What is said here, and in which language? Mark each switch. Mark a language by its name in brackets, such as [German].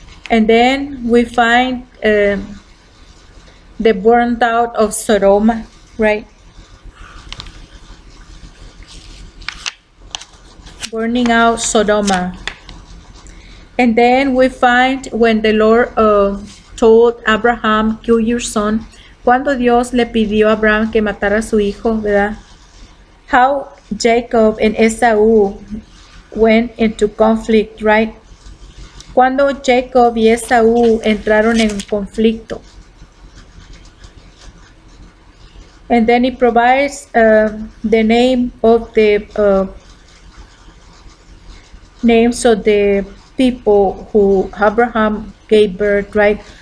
[English] And then we find the burnt out of Sodom, right? Burning out Sodom. And then we find when the Lord told Abraham, kill your son. [Spanish] Cuando Dios le pidió a Abraham que matara a su hijo, ¿verdad? [English] How Jacob and Esau went into conflict, right? [Spanish] Cuando Jacob y Esau entraron en conflicto. [English] And then he provides the name of the names of the people who Abraham gave birth, right?